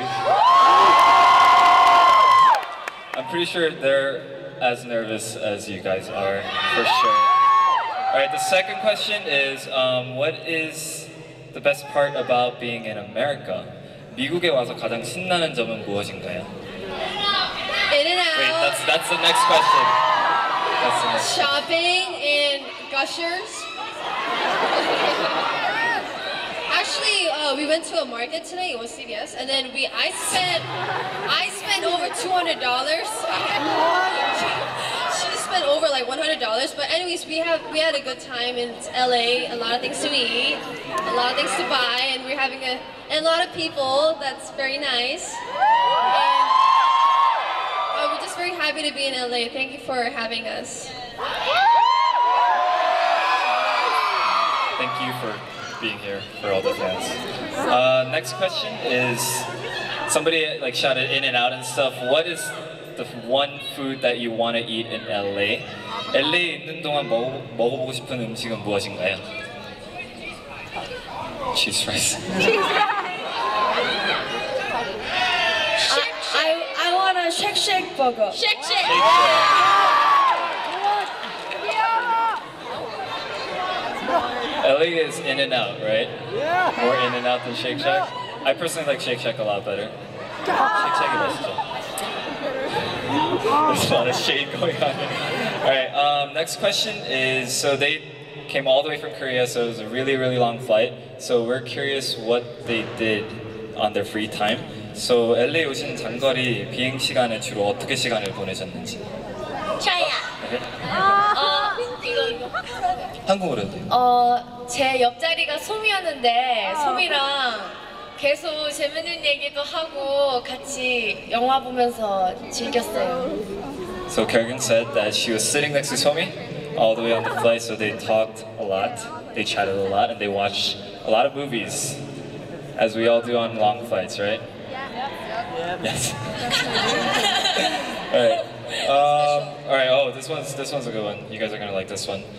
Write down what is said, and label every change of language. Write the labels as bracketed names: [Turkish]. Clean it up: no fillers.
[English] I'm pretty sure they're as nervous as you guys are, for sure. Alright, the second question is, what is the best part about being in America? [Korean] 미국에 와서 가장 신나는 점은 무엇인가요? [English] In and out. Wait, that's the next question. That's the next shopping question. In Gushers. Actually, we went to a market today, it was CVS, and then I spent over $200. She spent over like $100, but anyways, we had a good time in LA, a lot of things to eat, a lot of things to buy, and we're having a lot of people, that's very nice. And we're just very happy to be in LA. Thank you for having us. Thank you for being here for all the fans. Next question is, somebody like shouted in and out and stuff. What is the one food that you want to eat in LA? [Korean] LA 있는 동안 먹어보고 싶은 음식은 무엇인가요? [English] Cheese fries. I want a shake shake burger. Shake shake. Yeah. LA is in and out, right? Yeah. More in and out than Shake Shack. No. I personally like Shake Shack a lot better. Shake Shack is awesome. There's a lot of shade going on here. Alright, next question is, so they came all the way from Korea, so it was a really, really long flight. So we're curious what they did on their free time. [Korean] So LA 오신 장거리 비행 시간에 주로 어떻게 시간을 보내셨는지? 저야. 한국어로 해도 제 옆자리가 소미였는데 소미랑 계속 재밌는 얘기도 하고 같이 영화 보면서 즐겼어요. [English] So Kyung said that she was sitting next to Somi all the way on the flight, so they talked a lot, they chatted a lot, and they watched a lot of movies, as we all do on long flights, right? Yeah. Yes. Alright. This one's a good one. You guys are gonna like this one.